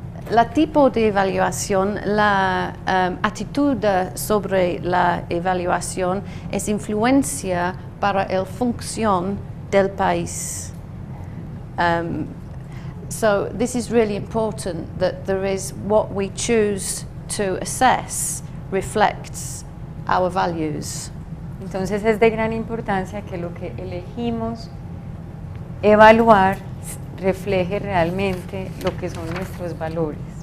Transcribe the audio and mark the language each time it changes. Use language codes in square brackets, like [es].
[es] La tipo de evaluación, la actitud sobre la evaluación es influencia para el función del país. [en] So this is really important that there is what we choose to assess reflects our values. [es] Entonces es de gran importancia que lo que elegimos evaluar refleje realmente lo que son nuestros valores.